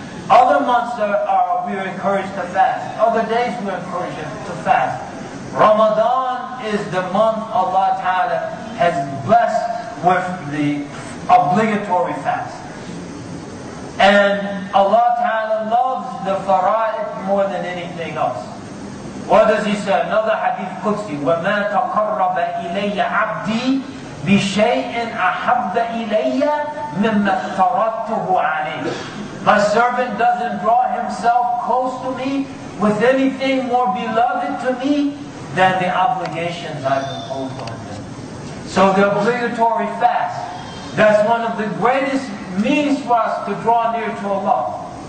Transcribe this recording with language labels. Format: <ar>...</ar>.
<en>Other months we're encouraged to fast. Other days we're encouraged to fast. Ramadan is the month Allah Ta'ala has blessed with the obligatory fast. And Allah Ta'ala loves the fara'id more than anything else. What does He say? Another hadith Qudsi,</en> <ar>وَمَا تَقَرَّبَ إِلَيَّ عَبْدِي بِشَيْءٍ أَحَبَّ إِلَيَّ مِمَّا اخْتَرَدْتُهُ عَلَيْهِ.</ar> <en>My servant doesn't draw himself close to me with anything more beloved to me than the obligations I've imposed on him. So the obligatory fast, that's one of the greatest means for us to draw near to Allah.</en>